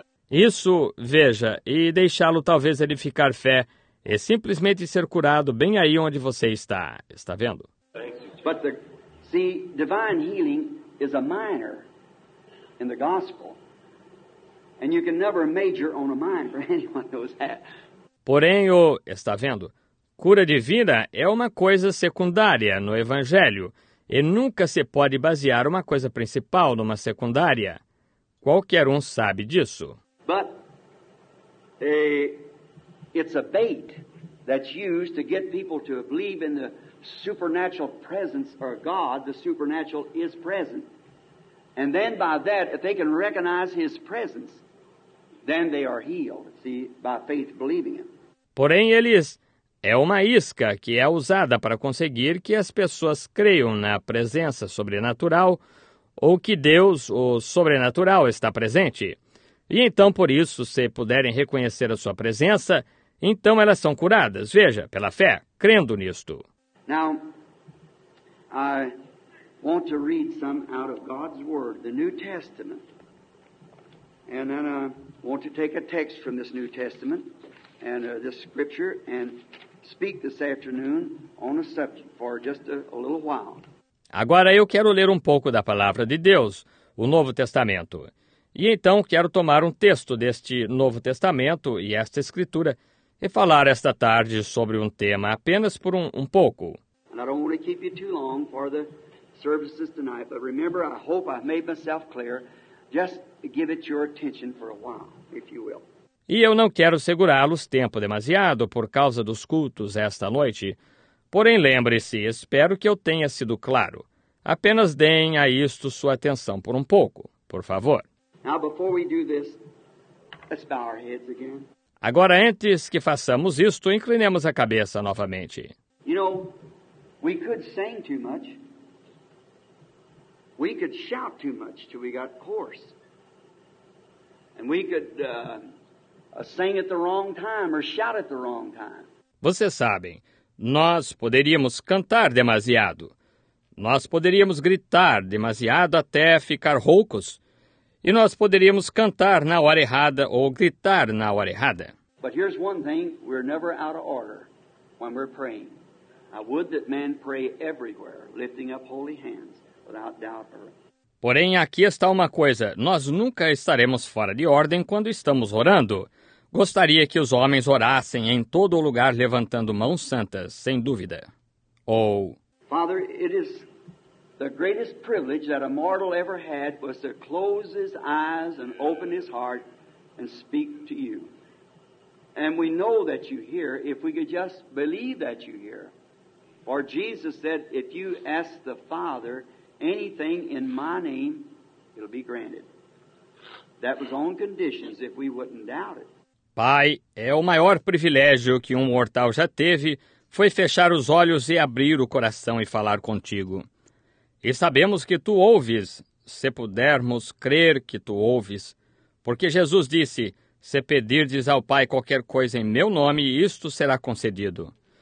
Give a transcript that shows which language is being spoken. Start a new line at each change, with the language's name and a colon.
Portuguese: Isso, veja, e deixá-lo talvez edificar fé e simplesmente ser curado bem aí onde você está. Está vendo?
English: But the see, divine healing is a minor in the gospel, and you can never major on a minor. Anyone knows that.
Portuguese: Porém, o está vendo? Cura divina é uma coisa secundária no Evangelho e nunca se pode basear uma coisa principal numa secundária. Qualquer um sabe disso.
English: But it's a bait that's used to get people to believe in the supernatural presence or God, the supernatural is present. And then by that, if they can recognize his presence, then they are healed, see, by faith believing him.
Portuguese: Porém, eles é uma isca que é usada para conseguir que as pessoas creiam na presença sobrenatural ou que Deus, o sobrenatural, está presente. E então, por isso, se puderem reconhecer a sua presença, então elas são curadas, veja, pela fé, crendo nisto.
English: Now, I want to read some out of God's Word, the New Testament. And then I want to take a text from this New Testament and this Scripture and speak this afternoon on a subject for just a little while.
Portuguese: Agora eu quero ler um pouco da Palavra de Deus, o Novo Testamento. E então quero tomar um texto deste Novo Testamento e esta Escritura e falar esta tarde sobre um tema apenas por um pouco.
English: And I don't want to keep you too long for the services tonight, but remember, I hope I've made myself clear. Just give it your attention for a while, if you will.
Portuguese: E eu não quero segurá-los tempo demasiado por causa dos cultos esta noite. Porém, lembre-se, espero que eu tenha sido claro. Apenas deem a isto sua atenção por um pouco, por favor.
English: Now, before we do this, let's bow our heads again.
Portuguese: Agora, antes que façamos isto, inclinemos a cabeça novamente.
English: You know, we could sing too much. We could shout too much till we got hoarse. And we could sing at the wrong time or shout at the wrong time.
Portuguese: Vocês sabem, nós poderíamos cantar demasiado. Nós poderíamos gritar demasiado até ficar roucos. E nós poderíamos cantar na hora errada ou gritar na hora errada.
English: But here's one thing, we're never out of order when we're praying. I would that men pray everywhere, lifting up holy hands, without doubt or...
Portuguese: Porém, aqui está uma coisa, nós nunca estaremos fora de ordem quando estamos orando. Gostaria que os homens orassem em todo lugar levantando mãos santas, sem dúvida. Ou...
English: Father, it is... The greatest privilege that a mortal ever had was to close his eyes and open his heart and speak to you. And we know that you hear if we could just believe that you hear. For Jesus said, if you ask the Father anything in my name, it'll be granted. That was on conditions if we wouldn't doubt it.
Portuguese: Pai, é o maior privilégio que mortal já teve foi fechar os olhos e abrir o coração e falar contigo. E sabemos que tu ouves, se pudermos crer que tu ouves. Porque Jesus disse, se pedirdes ao Pai qualquer coisa em meu nome, isto será concedido.